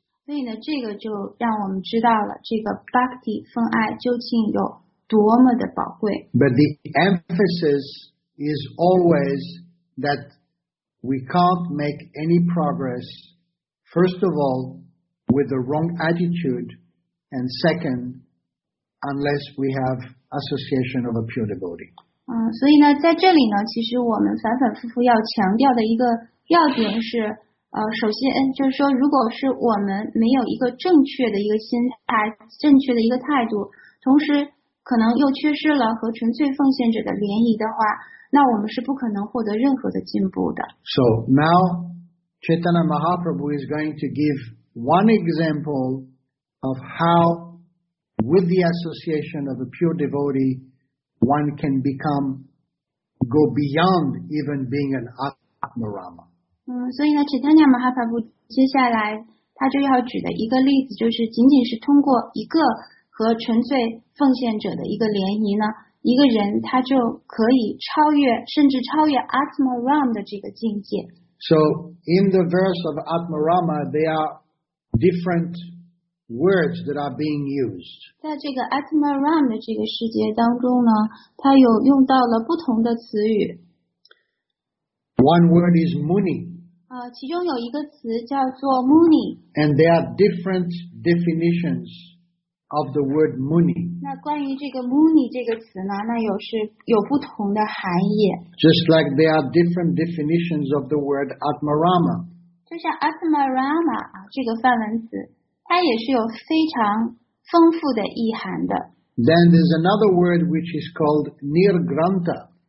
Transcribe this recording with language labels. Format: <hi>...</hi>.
<zh>所以呢这个就让我们知道了这个 bhakti 分爱究竟有多么的宝贵。</zh> <en>But the emphasis is always that we can't make any progress, first of all, with the wrong attitude, and second, unless we have association of a pure devotee.</en> <zh>所以呢，在这里呢，其实我们反反复复要强调的一个要点是，首先就是说，如果是我们没有一个正确的一个心态，正确的一个态度，同时可能又缺失了和纯粹奉献者的联谊的话，那我们是不可能获得任何的进步的。</zh> <en>So now, Chaitanya Mahaprabhu is going to give one example of how, with the association of a pure devotee, one can become, go beyond even being an Atmarama.</en> <zh>所以呢 ，Chaitanya Mahaprabhu 接下来他就要举的一个例子，就是仅仅是通过一个和纯粹奉献者的一个联谊呢。一个人他就可以超越，甚至超越 Atmarama 的这个境界。</zh> <en>So in the verse of Atmarama, there are different words that are being used.</en> <zh>在这个 Atmarama 的这个世界当中呢，它有用到了不同的词语。</zh> <en>One word is Muni.</en> <zh>其中有一个词叫做 Muni.</zh> <en>And there are different definitions. Of the word muni.</en> <zh>那关于这个 muni 这个词呢，那有是有不同的含义。</zh> <en>Just like there are different definitions of the word atmarama.</en> <zh>就像 atmarama 这个梵文词，它也是有非常丰富的意涵的。</zh> <en>Then there's another word which is called nirgranta.</en>